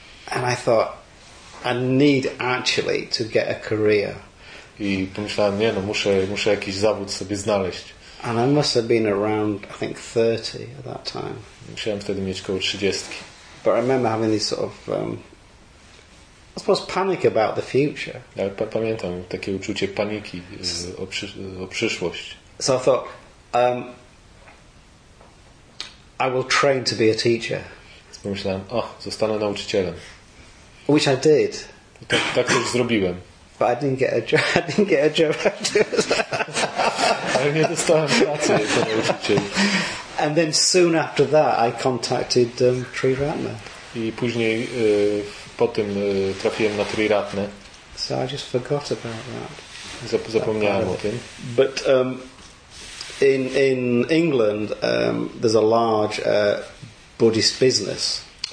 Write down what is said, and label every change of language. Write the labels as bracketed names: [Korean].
[English] And I thought, I need actually to get a career. [Polish] I pomyślałem, nie, no muszę jakiś zawód sobie znaleźć. [English] And I must have been around, I think, 30 at that time. [Polish] Musiałem wtedy mieć koło 30. [English] But I remember having this sort of, I suppose, panic about the future. [Polish] Ja pamiętam takie uczucie paniki o przyszłość. [English] So I thought, I will train to be a teacher. [Polish] Pomyślałem, zostanę nauczycielem. [English] Which I did. [Polish] Tak też zrobiłem. [English] But I didn't get a job after [Polish] that. Ale nie dostałem pracy jako nauczyciel. [English] And then soon after that I contacted Tri Ratna. [Polish] I później po tym trafiłem na Tri Ratna. [English] So I just forgot about that. [Polish] Zapomniałem o tym. [English] But in England there's a large Buddhist business.